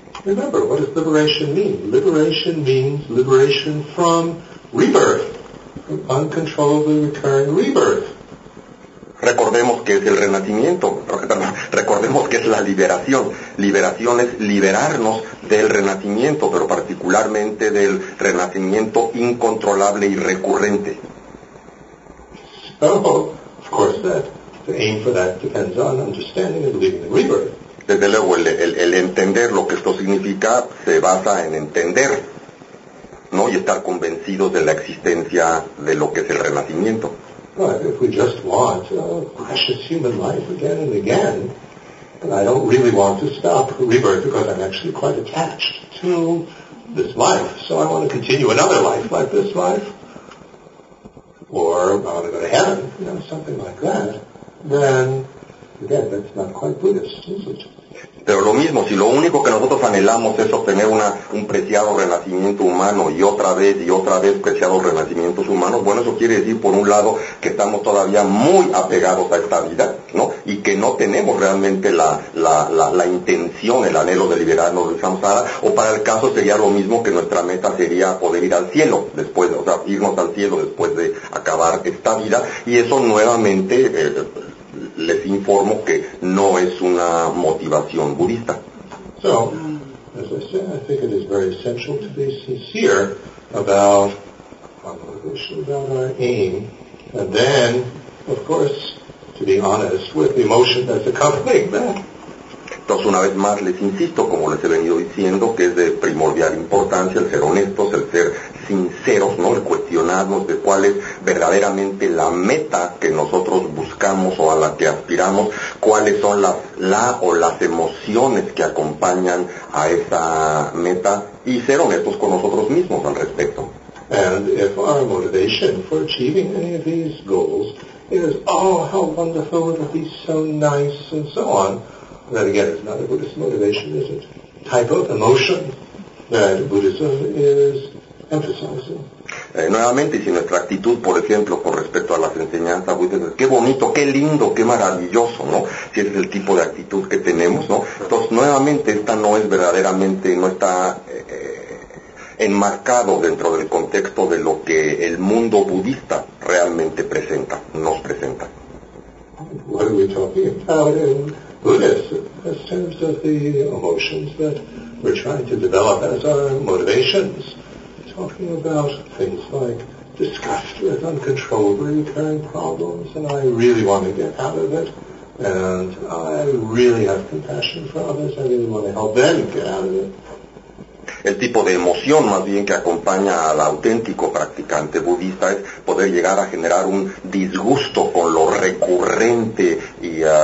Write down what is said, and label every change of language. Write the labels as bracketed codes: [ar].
[en] Remember, what does liberation mean? Liberation means liberation from rebirth, from uncontrollably recurring rebirth. [es] Recordemos que es el renacimiento, recordemos que es la liberación. Liberación es liberarnos del renacimiento, pero particularmente del renacimiento incontrolable y recurrente. [en] So, of course, the aim for that depends on understanding and living in rebirth. [es] Desde luego, el entender lo que esto significa se basa en entender, ¿no? Y estar convencido de la existencia de lo que es el renacimiento. [en] But if we just want precious human life again and again, and I don't really want to stop rebirth because I'm actually quite attached to this life, so I want to continue another life like this life, or I want to go to heaven, something like that, then, again, that's not quite Buddhist, is it? [es] Pero lo mismo, si lo único que nosotros anhelamos es obtener un preciado renacimiento humano y otra vez preciados renacimientos humanos, bueno, eso quiere decir, por un lado, que estamos todavía muy apegados a esta vida, ¿no? Y que no tenemos realmente la intención, el anhelo de liberarnos del samsara, o para el caso sería lo mismo que nuestra meta sería poder ir al cielo después, o sea, irnos al cielo después de acabar esta vida, y eso nuevamente... les informo que no es una motivación budista. [en] So, as I said, I think it is very essential to be sincere about our motivation, about our aim, and then, of course, to be honest with the emotion that's accompanying that. [es] Entonces, una vez más, les insisto, como les he venido diciendo, que es de primordial importancia el ser honestos, el ser sinceros, ¿no? El cuestionarnos de cuál es verdaderamente la meta que nosotros buscamos o a la que aspiramos, cuáles son las emociones que acompañan a esa meta, y ser honestos con nosotros mismos al respecto. [en] And if our motivation for achieving any of these goals is, oh, how wonderful, it would be so nice, and so on, that again is not a Buddhist motivation, is it? Type of emotion that Buddhism is emphasizing. [es] Nuevamente, si nuestra actitud, por ejemplo, con respecto a las enseñanzas budistas, qué bonito, qué lindo, qué maravilloso, ¿no? Si ese es el tipo de actitud que tenemos, ¿no? Entonces, nuevamente, esta no es verdaderamente, no está enmarcado dentro del contexto de lo que el mundo budista realmente presenta, nos presenta. [en] What are we talking about in Buddhism, in terms of the emotions that we're trying to develop as our motivations? Talking about things like disgust with uncontrollably recurring problems, and I really want to get out of it, and I really have compassion for others, I really want to help them get out of it. [es] El tipo de emoción más bien que acompaña al auténtico practicante budista es poder llegar a generar un disgusto con lo recurrente y